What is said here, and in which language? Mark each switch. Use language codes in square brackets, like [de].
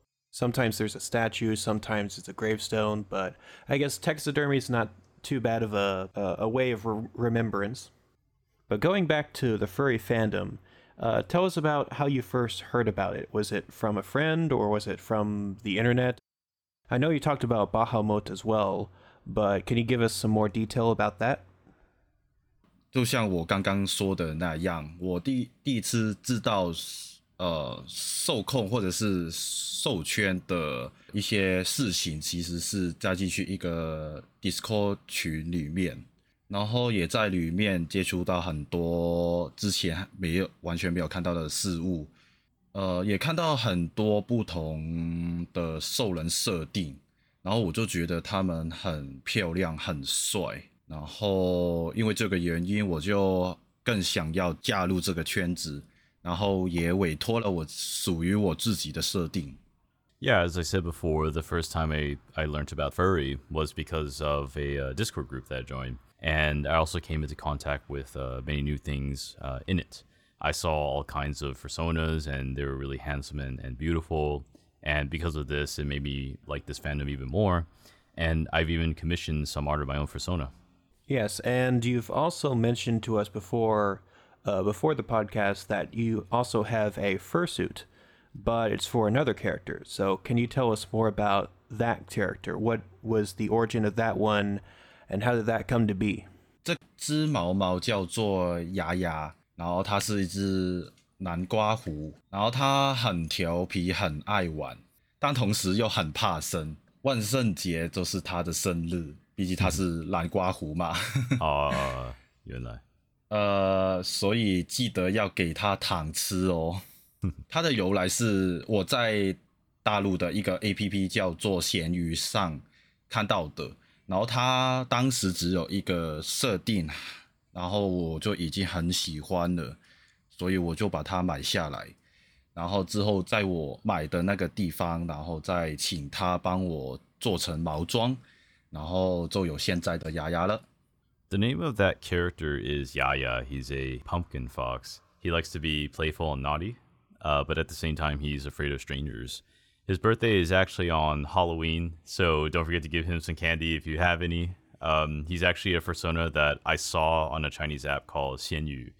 [en] Sometimes there's a statue, sometimes it's a gravestone, but I guess taxidermy is not too bad of a way of remembrance. But going back to the furry fandom, tell us about how you first heard about it. Was it from a friend, or was it from the internet? I know you talked about Bahamut as well, but can you give us some more detail about that? [zh] 就像我刚刚说的那样，我第一次知道受控或者是授权的一些事情，其实是加进去一个 Discord 群里面，然后也在里面接触到很多之前没有完全没有看到的事物，也看到很多不同的兽人设定，然后我就觉得他们很漂亮很帅，然后因为这个原因我就更想要加入这个圈子，然后也委托了我属于我自己的设定。 [en] Yeah, as I said before, the first time I learned about furry was because of a Discord group that I joined. And I also came into contact with many new things in it. I saw all kinds of personas and they were really handsome and beautiful. And because of this, it made me like this fandom even more. And I've even commissioned some art of my own persona. Yes, and you've also mentioned to us before, before the podcast, that you also have a fursuit, but it's for another character. So can you tell us more about that character? What was the origin of that one, and how did that come to be? [zh] 这只毛毛叫做雅雅，然后它是一只南瓜狐，然后它很调皮，很爱玩，但同时又很怕生。万圣节就是它的生日，毕竟它是南瓜狐嘛。哦原来。所以记得要给他糖吃哦。他的由来是我在大陆的一个 APP 叫做闲鱼上看到的，然后他当时只有一个设定，然后我就已经很喜欢了，所以我就把它买下来，然后之后在我买的那个地方，然后再请他帮我做成毛装，然后就有现在的雅雅了。 [en] The name of that character is Yaya. He's a pumpkin fox. He likes to be playful and naughty, but at the same time, he's afraid of strangers. His birthday is actually on Halloween, so don't forget to give him some candy if you have any. He's actually a persona that I saw on a Chinese app called Xianyu.